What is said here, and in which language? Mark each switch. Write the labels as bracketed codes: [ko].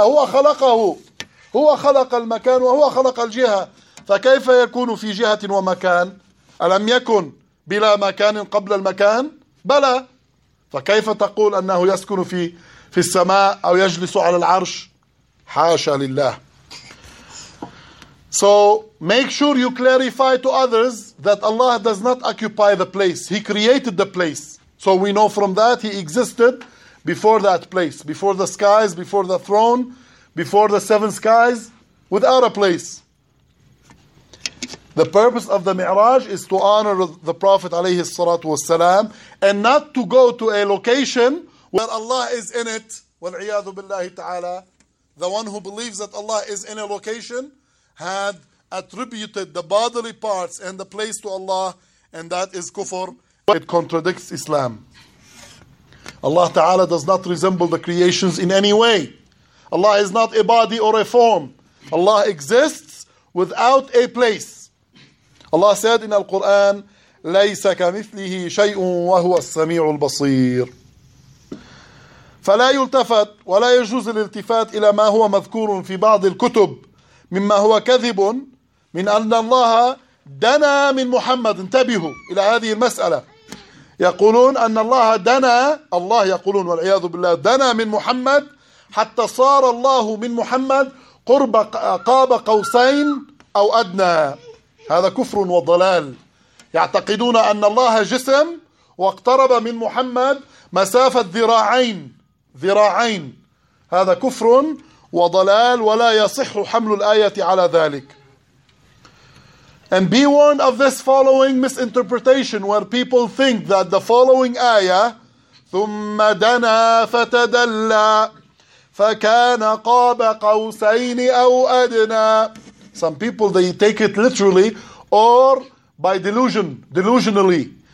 [ar] هو خلقه، هو خلق المكان وهو خلق الجهة، فكيف يكون في جهة ومكان؟ ألم يكن بلا مكان قبل المكان؟ بلى. فكيف تقول أنه يسكن في السماء أو يجلس على العرش؟ حاشا لله. [en] So make sure you clarify to others that Allah does not occupy the place. He created the place. So we know from that He existed before that place, before the skies, before the throne, before the seven skies, without a place. The purpose of the Mi'raj is to honor the Prophet alayhi salatu wassalam, and not to go to a location where Allah is in it. [ar] وَالْعِيَاذُ بِاللَّهِ تَعَالَى. [en] The one who believes that Allah is in a location had attributed the bodily parts and the place to Allah, and that is kufr. It contradicts Islam. Allah Ta'ala does not resemble the creations in any way. Allah is not a body or a form. Allah exists without a place. Allah said in Al-Quran, [ar] لَيْسَ كَمِثْلِهِ شَيْءٌ وَهُوَ السَّمِيعُ الْبَصِيرُ فَلَا يُلْتَفَتْ وَلَا يَجُوزُ الْإِلْتِفَاتِ إِلَى مَا هُوَ مَذْكُورٌ فِي بَعْضِ الْكُتُبِ مِمَّا هُوَ كَذِبٌ مِنْ أَنَّ اللَّهَ دَنَا مِنْ مُحَمَّدٍ. انتبهوا إلى هذه المسألة. يقولون أن الله دنا، الله يقولون والعياذ بالله، دنا من محمد حتى صار الله من محمد قرب قاب قوسين أو أدنى. هذا كفر وضلال. يعتقدون أن الله جسم واقترب من محمد مسافة ذراعين، ذراعين. هذا كفر وضلال، ولا يصح حمل الآية على ذلك. [en] And be warned of this following misinterpretation, where people think that the following ayah, [ar] ثم دنا فتدلى فكان قاب قوسين أو أدنى. [en] Some people, they take it literally or by delusion, delusionally.